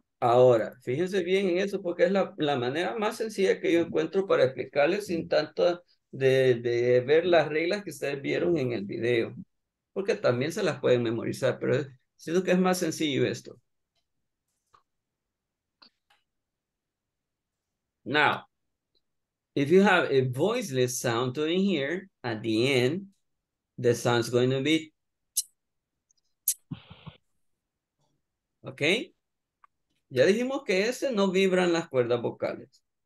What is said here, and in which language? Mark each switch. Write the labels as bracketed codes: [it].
[es] Ahora, fíjense bien en eso, porque es la manera más sencilla que yo encuentro para explicarles sin tanto de ver las reglas que ustedes vieron en el video. Porque también se las pueden memorizar, pero siento que es más sencillo esto. [en] Now, if you have a voiceless sound to in here, at the end, the sound's going to be... Okay? [es] Ya dijimos que ese no vibran las cuerdas vocales.